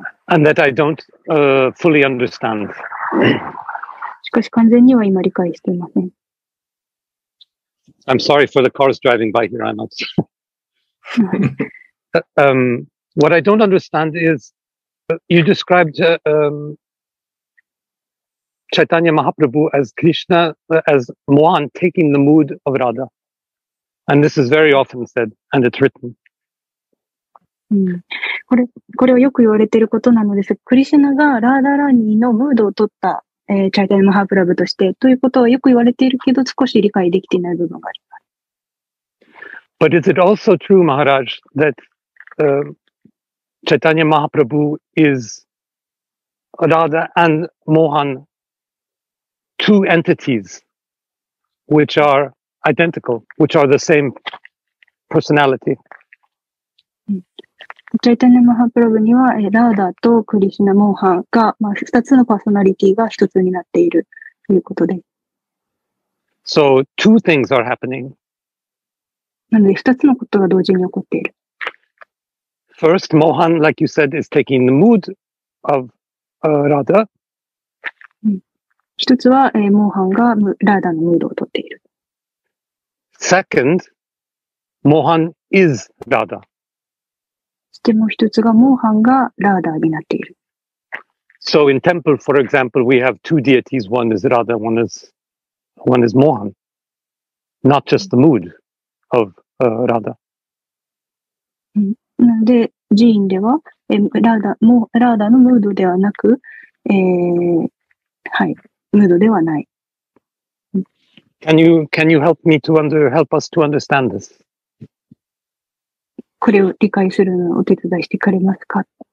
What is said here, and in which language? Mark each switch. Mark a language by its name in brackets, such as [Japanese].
[English] And that I don't fully understand. I'm sorry for the cars driving by here, I'm not sure. What I don't understand is you described Chaitanya Mahaprabhu as Krishna, as Mohan taking the mood of Radha. And this is very often said, and it's written. [Japanese] これはよく言われていることなのです。クリシナがラーダラーニーのムードを取った、チャイタニア・マハプラブとしてということはよく言われているけど、少し理解できていない部分があります。 [English] But is it also true, Maharaj, that チャイタニア・マハプラブ is Radha and Mohan, two entities which are identical, which are the same personality? [Japanese] チャイタニア・マハプラブにはラーダとクリシュナ・モーハンが、まあ、2つのパーソナリティが1つになっているということです [English] 。 So, two things are happening. [Japanese] なので2つのことが同時に起こっている。 [English] First, Mohan, like you said, is taking the mood of Radha. [Japanese] 1つは、モーハンがラーダのムードをとっている。 [English] Second, Mohan is Radha. [Japanese] でも一つがモーハンがラーダーになっている。 [English] So in temple, for example, we have two deities. One is Radha, one is Mohan. Not just the mood of Radha. [Japanese] なので寺院ではラーダのムードではなく、はい、ムードではない。 [English] Can you help me to help us to understand this? [Japanese] これを理解するのをお手伝いしてくれますか?